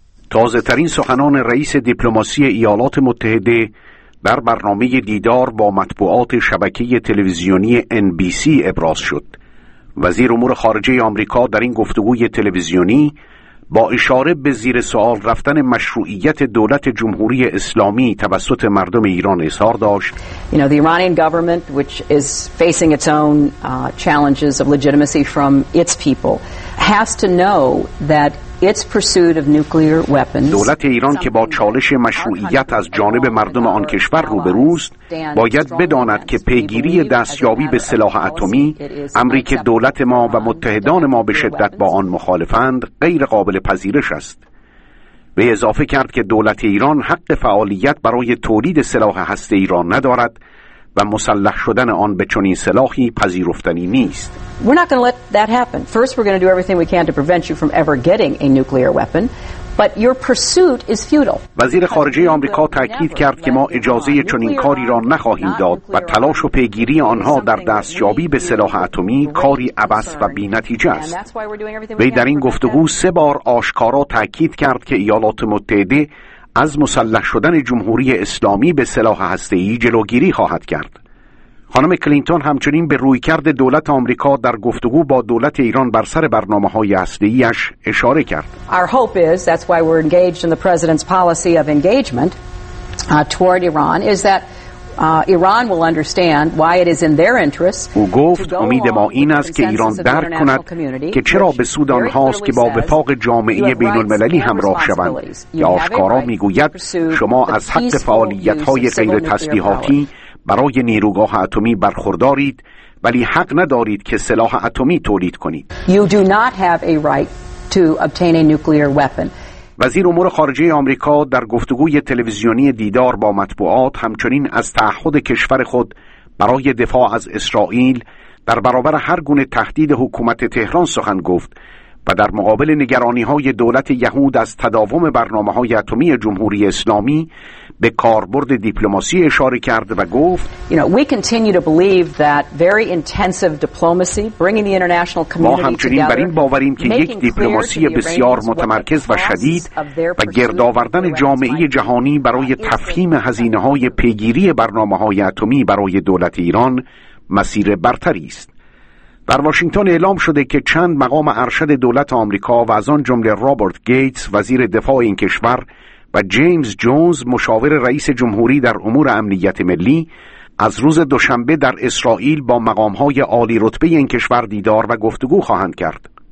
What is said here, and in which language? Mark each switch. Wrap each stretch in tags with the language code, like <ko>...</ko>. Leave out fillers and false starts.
<fa>تازه ترین سخنان رئیس دیپلماسی ایالات متحده در برنامه دیدار با مطبوعات شبکه تلویزیونی NBC ابراز شد. وزیر امور خارجه آمریکا در این گفتگوی تلویزیونی با اشاره به زیر سوال رفتن مشروعیت دولت جمهوری اسلامی توسط مردم ایران اظهار داشت:</fa> <en>The Iranian government, which is facing its own challenges of legitimacy from its people, has to know that its pursuit of nuclear weapons.</en> <fa>دولت ایران که با چالش مشروعیت از جانب مردم آن کشور روبروست، باید بداند که پیگیری دستیابی به سلاح اتمی، امری که دولت ما و متحدان ما به شدت با آن مخالفند، غیر قابل پذیرش است. به اضافه کرد که دولت ایران حق فعالیت برای تولید سلاح هسته‌ای را ندارد و مسلح شدن آن به چنین سلاحی پذیرفتنی نیست.</fa> <en>We're not going to let that happen. First we're going to do everything we can to prevent you from ever getting a nuclear weapon, but your pursuit is futile.</en> <fa>وزیر خارجه آمریکا تاکید کرد که ما اجازه چنین کاری را نخواهیم داد و تلاش و پیگیری آنها در دستیابی به سلاح اتمی کاری عبث و بی‌نتیجه است. وی در این گفتگو سه بار آشکارا تاکید کرد که ایالات متحده از مسلح شدن جمهوری اسلامی به سلاح هسته‌ای جلوگیری خواهد کرد. خانم کلینتون همچنین به رویکرد دولت آمریکا در گفتگو با دولت ایران بر سر برنامه‌های هسته‌ای‌اش اشاره کرد.</fa> <en>Our hope is that's why we're engaged in the president's policy of engagement toward Iran is that Iran will understand why it is in their interest.</en> <fa>او گفت امید ما این است که ایران درک کند که چرا به سود آنهاست که با وفاق جامعه بین المللی همراه شوند. یا آشکارا میگوید شما از حق فعالیت‌های غیر تسلیحاتی برای نیروگاه اتمی برخوردارید، ولی حق ندارید که سلاح اتمی تولید کنید.</fa> <en>You do not have a right to obtain a nuclear weapon.</en> <fa>وزیر امور خارجه آمریکا در گفتگوی تلویزیونی دیدار با مطبوعات همچنین از تعهد کشور خود برای دفاع از اسرائیل در برابر هر گونه تهدید حکومت تهران سخن گفت و در مقابل نگرانی‌های دولت یهود از تداوم برنامه‌های اتمی جمهوری اسلامی به کاربرد دیپلماسی اشاره کرد و گفت</fa> <en>we continue to believe that very intensive diplomacy bringing the international community together.</en> <fa>ما همچنین بر این باوریم که یک دیپلماسی بسیار متمرکز و شدید و گردآوردن جامعه جهانی برای تفهیم هزینه‌های پیگیری برنامه‌های اتمی برای دولت ایران مسیر برتری است. در واشنگتن اعلام شده که چند مقام ارشد دولت آمریکا و از آن جمله رابرت گیتس وزیر دفاع این کشور و جیمز جونز مشاور رئیس جمهوری در امور امنیت ملی از روز دوشنبه در اسرائیل با مقام‌های عالی رتبه این کشور دیدار و گفتگو خواهند کرد.</fa>